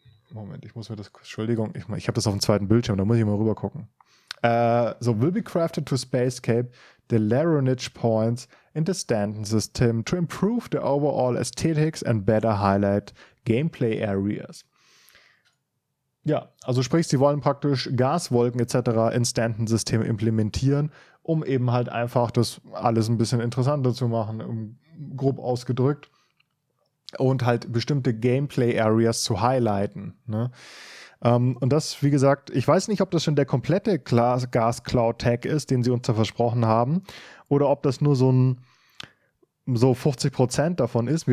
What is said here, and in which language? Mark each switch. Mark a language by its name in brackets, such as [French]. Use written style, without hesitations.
[German] Ich habe das auf dem zweiten Bildschirm, da muss ich mal rüber gucken. [English] Will be crafted to spacescape the Larenage points in the Stanton system to improve the overall aesthetics and better highlight gameplay areas. [German] Ja, also sprich, sie wollen praktisch Gaswolken etc. in Stanton-System implementieren, um eben halt einfach das alles ein bisschen interessanter zu machen, grob ausgedrückt, und halt bestimmte Gameplay-Areas zu highlighten. Ne? Und das, wie gesagt, ich weiß nicht, ob das schon der komplette Gas-Cloud-Tag ist, den sie uns da versprochen haben, oder ob das nur so 50% davon ist.